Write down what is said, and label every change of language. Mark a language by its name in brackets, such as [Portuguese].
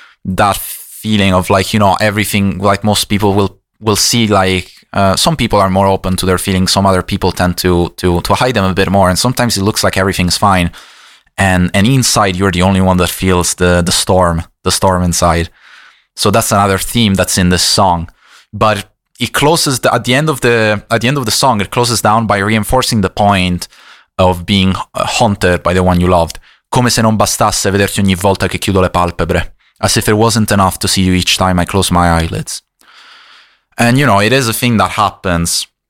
[English] That feeling of, like, you know, everything, like, most people will see, like, some people are more open to their feelings, some other people tend to hide them a bit more, and sometimes it looks like everything's fine, and inside you're the only one that feels the storm inside. So that's another theme that's in this song. But it closes at the end of the song, it closes down by reinforcing the point of being haunted by the one you loved. [Italian] Come se non bastasse vederti ogni volta che chiudo le palpebre. [English] As if it wasn't enough to see you each time I close my eyelids. And, you know, it is a thing that happens.